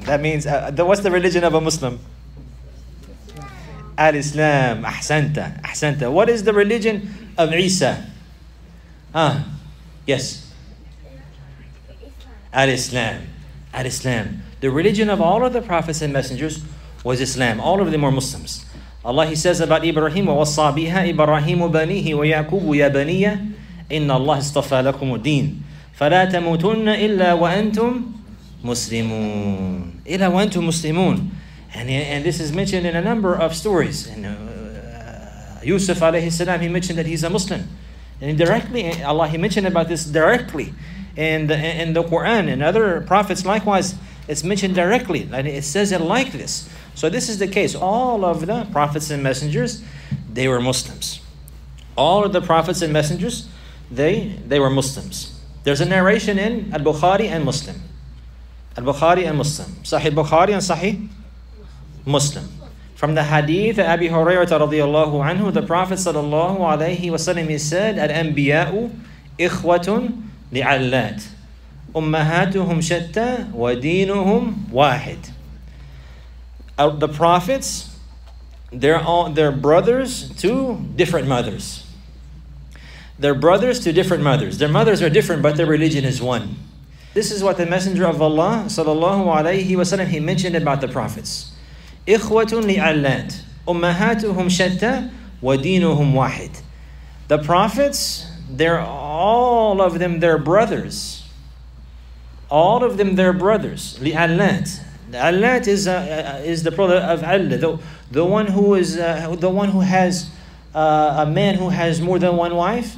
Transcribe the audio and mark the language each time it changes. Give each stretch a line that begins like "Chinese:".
English: That means, what's the religion of a Muslim? Al-Islam. Ahsanta. Ahsanta. What is the religion of Isa? Huh? Yes. Al-Islam. Al-Islam. The religion of all of the prophets and messengers was Islam. All of them were Muslims. Allah, he says about Ibrahim,
Arabic: وَوَصَّى بِهَا إِبْرَاهِيمُ بَنِيهِ وَيَعْقُوبُ يَا بَنِيَّ إِنَّ اللَّهِ اصْطَفَى لَكُمُ الدِّينِ فَلَا تَمُوتُنَّ إِلَّا وَأَنْتُمْ مُسْلِمُونَ إِلَّا وَأَنْتُمْ مُسْلِمُونَ.
English: And this is mentioned in a number of stories. And Yusuf alayhi salam, he mentioned that he's a Muslim. And directly, Allah, he mentioned about this directly in the Quran and other prophets likewise. It's mentioned directly, and it says it like this. So this is the case. All of the prophets and messengers, they were Muslims. All of the prophets and messengers, they were Muslims. There's a narration in Al-Bukhari and Muslim. Al-Bukhari and Muslim. Sahih Bukhari and Sahih Muslim. From the hadith of Abi Hurairah radiallahu anhu, the Prophet sallallahu alayhi wa sallam, he said,
Arabic: Al-Anbiya'u ikhwatun li'allat. أمهاتهم شتى ودينهم واحد.
English: The prophets, they're brothers to different mothers. They're brothers to different mothers. Their mothers are different, but their religion is one. This is what the Messenger of Allah, sallallahu alayhi wa sallam, he mentioned about the prophets.
Arabic: إخوة لعلات أمهاتهم شتى ودينهم واحد.
English: The prophets, they're all of them, they're brothers. All of them, they're brothers.
Arabic: لِعَلَّاتِ.
English: عَلَّاتِ is the brother of عَلَّ. The one who has a man who has more than one wife.